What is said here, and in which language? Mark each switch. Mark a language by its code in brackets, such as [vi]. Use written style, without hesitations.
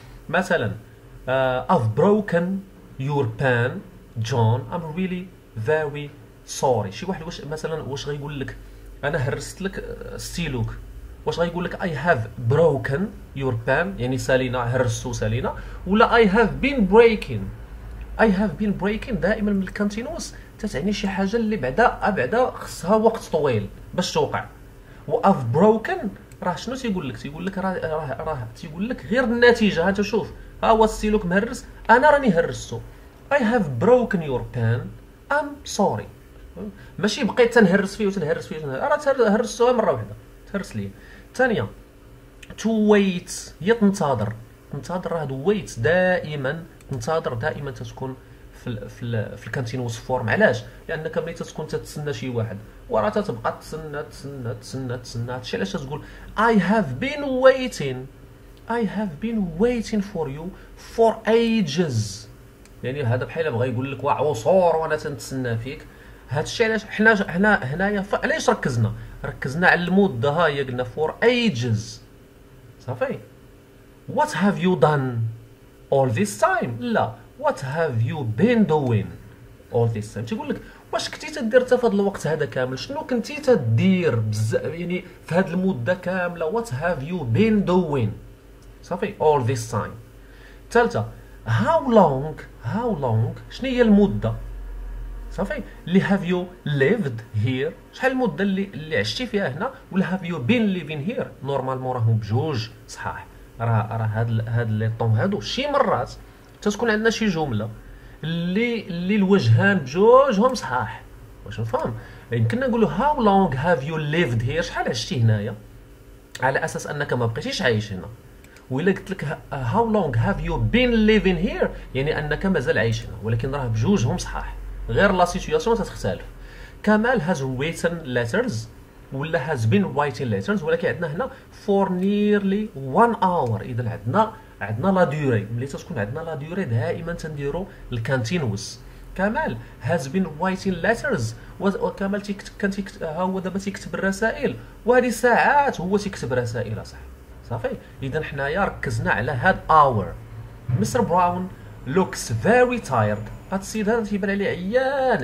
[ar] مثلا [en] I've broken your pen John، I'm really very sorry، [ar] شي واحد واش غيقول لك انا هرست لك ستيلوك، واش غيقول لك [en] I have broken your pen [ar] يعني سالينا هرستو سالينا، ولا [en] I have been breaking؟ [ar] I have been breaking دائما من الكونتينوس تتعني شي حاجه اللي بعدا خصها وقت طويل باش توقع، و I've broken راه شنو تيقول لك؟ تيقول لك راه تيقول لك غير النتيجة. ها انت شوف، ها هو السيلوك مهرس، انا راني هرسته. [en] I have broken your pen, I'm sorry. [ar] ماشي بقيت تنهرس فيه وتنهرس فيه وتنهرس، راه هرستوها مرة واحدة، تهرس لي. ثانية، to wait، هي تنتظر، تنتظر، راه wait دائما تنتظر، دائما تتكون في الكونتينوس فورم. علاش؟ لانك ملي تتكون تتسنى شي واحد وراه تتبقى تسنى تسنى تسنى تسنى، هادشي علاش تقول [en] I have been waiting، I have been waiting for you for ages. [ar] يعني هذا بحال بغى يقول لك واه عصور وانا تنتسنى فيك. هادشي علاش حنا هنايا علاش ركزنا؟ ركزنا على المدة، ها هي قلنا [en] for ages [ar] صافي. [en] What have you done all this time؟ [ar] لا، [en] What have you been doing all this time؟ [ar] تيقول لك واش كنتي تدير في هذا الوقت هذا كامل؟ شنو كنتي تدير يعني في هذه المدة كاملة؟ [en] What have you been doing [ar] صافي [en] all this time. [ar] ثالثة، How long، How long، شنو هي المدة صافي اللي [en] have you lived here؟ [ar] شحال المدة اللي عشتي فيها هنا؟ ولا [en] have you been living here؟ [ar] نورمالمون راهم بجوج صحاح، راه هاد لي طون هادو. شي مرات تتكون عندنا شي جملة اللي الوجهان بجوجهم صحاح، واش مفهوم؟ يمكننا نقولوا [en] how long have you lived here؟ [ar] شحال عشتي هنايا؟ على أساس أنك ما بقيتيش عايش هنا. وإلا قلت لك [en] how long have you been living here؟ [ar] يعني أنك مازال عايش هنا، ولكن راه بجوجهم صحاح، غير لا سيتياسيون تتختلف. [en] Kamal has written letters ولا has been writing letters، [ar] ولكن عندنا هنا [en] for nearly one hour. [ar] إذا عندنا لا ديوري، ملي تكون عندنا لا ديوري دائما تنديرو الكانتينوس. كمال [en] has been writing letters، [ar] وكمال كان تيكتب، ها هو دابا تيكتب الرسائل، وهذه ساعات هو تيكتب رسائل صح. صافي، إذا حنايا ركزنا على هاد اور. مستر براون [en] looks very tired، [ar] هاد السيد هذا تيبان عليه عيان.